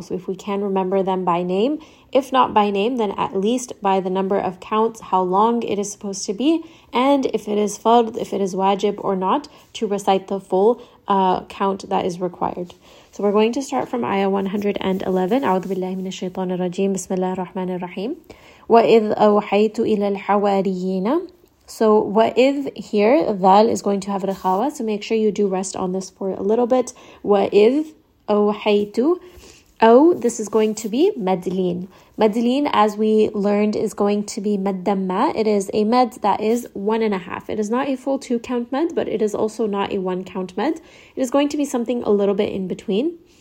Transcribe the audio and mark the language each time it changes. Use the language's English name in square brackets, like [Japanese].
[English] So if we can remember them by name, if not by name, then at least by the number of counts, how long it is supposed to be, and if it is fard, if it is wajib or not, to recite the full count that is required. So we're going to start from ayah 111. [Arabic] أعوذ بالله من الشيطان الرجيم بسم الله الرحمن الرحيم وَإِذْ أَوْحَيْتُ إِلَى الْحَوَارِيِّينَ. [English] So وَإِذْ here, ذَال is going to have رَخَاوَة, so make sure you do rest on this for a little bit. [Arabic] وَإِذْ أَوْحَيْتُ أَوْ, [English] this is going to be مَدْلِين. مَدْلِين, as we learned, is going to be مَدَّمَّة. It is a med that is 1.5. It is not a full 2-count med, but it is also not a 1-count med. It is going to be something a little bit in between.